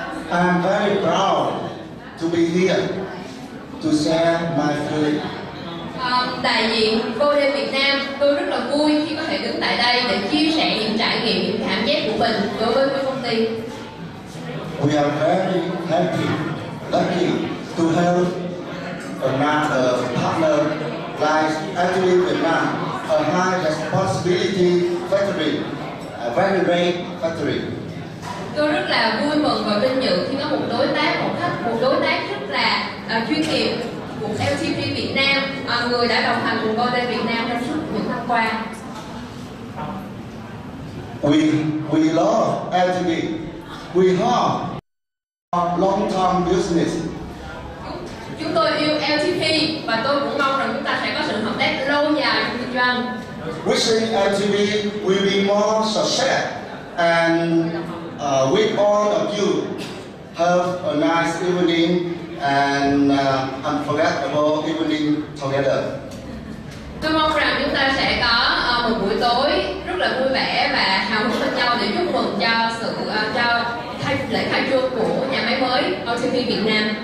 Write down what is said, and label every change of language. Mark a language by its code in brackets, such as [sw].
[en] I'm very proud to be here to share my feeling. [vi] Đại diện VOD Việt Nam, tôi rất là vui khi có thể đứng tại đây để chia sẻ những trải nghiệm, những cảm giác của mình đối với công ty. [en] We are very happy, lucky to have another partner like LTP Vietnam, a high responsibility factory, a very great factory. [vi] Tôi rất là vui mừng và vinh dự khi có một đối tác rất là chuyên nghiệp của LTP Việt Nam, người đã đồng hành cùng VOD Việt Nam trong suốt những năm qua. [en] We love LTP. We have a long term business. [vi] Chúng tôi yêu LTP và tôi cũng mong rằng chúng ta sẽ có sự hợp tác lâu dài trong kinh doanh. [en] Wishing LTP will be more success and with all of you, have a nice evening and unforgettable evening together. [vi] Tôi mong rằng chúng ta sẽ có một buổi tối rất là vui vẻ và hào hứng bên nhau để chúc mừng cho lễ khai trương của nhà máy mới LTP Việt Nam.